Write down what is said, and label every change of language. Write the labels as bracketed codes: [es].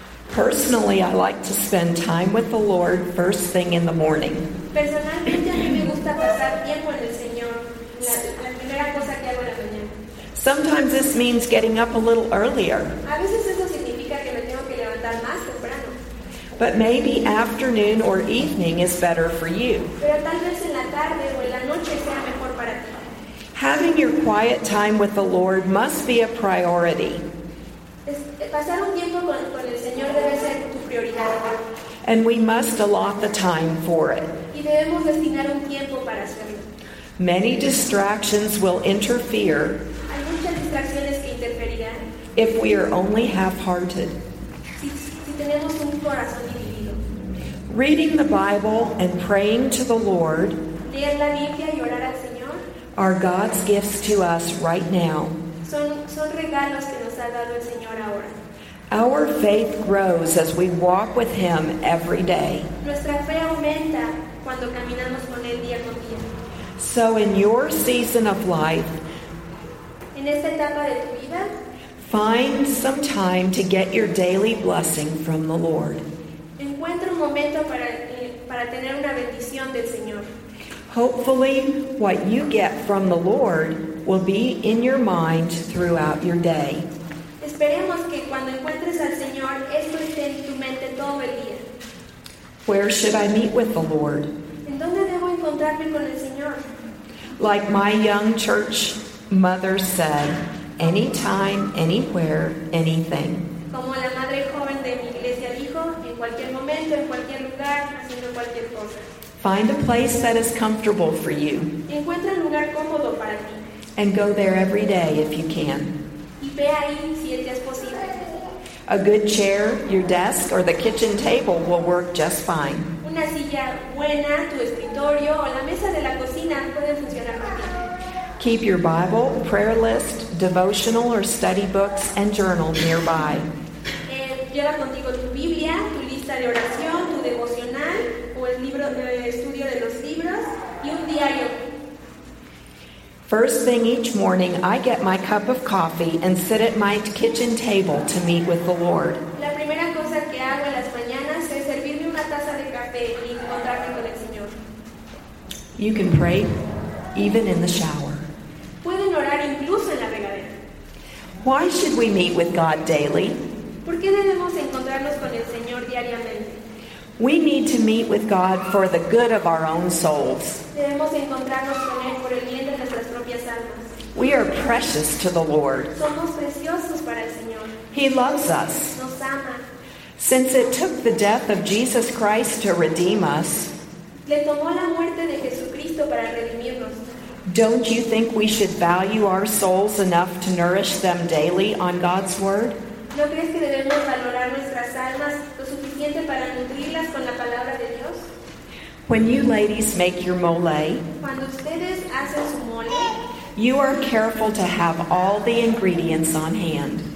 [en] Personally, I like to spend time with the Lord first thing in the morning. [es] Personalmente, a mí me gusta pasar tiempo en el Señor, la primera cosa que hago en la mañana. [en] Sometimes this means getting up a little earlier. [es] A veces eso significa que me tengo que levantar más temprano. [en] But maybe afternoon or evening is better for you. [es] Pero tal vez en la tarde o en la noche sea mejor para ti. [en] Having your quiet time with the Lord must be a priority. [es] Pasar un tiempo con el Señor debe ser tu prioridad. [en] And we must allot the time for it. [es] Y debemos destinar un tiempo para hacerlo. [en] Many distractions will interfere. [es] Hay muchas distracciones que interferirán. [en] If we are only half-hearted. [es] Si tenemos un corazón dividido. [en] Reading the Bible and praying to the Lord. [es] Leer la Biblia y orar al Señor. [en] Are God's gifts to us right now. [es] Son regalos que nos ha dado el Señor ahora. [en] Our faith grows as we walk with Him every day. [es] Nuestra fe aumenta cuando caminamos con Él día con día. [en] So in your season of life, [es] en esta etapa de tu vida, [en] find some time to get your daily blessing from the Lord. [es] Encuentra un momento para tener una bendición del Señor. [en] Hopefully, what you get from the Lord will be in your mind throughout your day. [es] Esperemos que cuando encuentres al Señor, esto esté en tu mente todo el día. [en] Where should I meet with the Lord? [es] ¿En dónde debo encontrarme con el Señor? [en] Like my young church mother said, anytime, anywhere, anything. [es] Como la madre joven de mi iglesia dijo, en cualquier momento, en cualquier lugar, haciendo cualquier cosa. [en] Find a place that is comfortable for you. [es] Encuentra un lugar cómodo para ti. [en] And go there every day if you can. [es] Y ve ahí si es posible. [en] A good chair, your desk, or the kitchen table will work just fine. [es] Una silla buena, tu escritorio o la mesa de la cocina pueden funcionar bien. [en] Keep your Bible, prayer list, devotional or study books and journal nearby. [es] Lleva contigo tu Biblia, tu lista de oración, tu devocional o el libro de estudio de los libros y un diario. [en] First thing each morning, I get my cup of coffee and sit at my kitchen table to meet with the Lord. [es] La primera cosa que hago en las mañanas es servirme una taza de café y encontrarme con el Señor. [en] You can pray even in the shower. [es] Pueden orar incluso en la regadera. [en] Why should we meet with God daily? [es] ¿Por qué debemos encontrarnos con el Señor diariamente? [en] We need to meet with God for the good of our own souls. [es] Debemos encontrarnos con Él por el bien de nuestras propias almas. [en] We are precious to the Lord. [es] Somos preciosos para el Señor. [en] He loves us. [es] Nos ama. [en] Since it took the death of Jesus Christ to redeem us, [es] le tomó la muerte de Jesucristo para redimirnos. [en] Don't you think we should value our souls enough to nourish them daily on God's Word? [es] ¿No crees que debemos valorar nuestras almas lo suficiente para nutrirlas con la palabra de Dios? [en] When you ladies make your mole, [es] cuando ustedes hacen su mole, [en] you are careful to have all the ingredients on hand.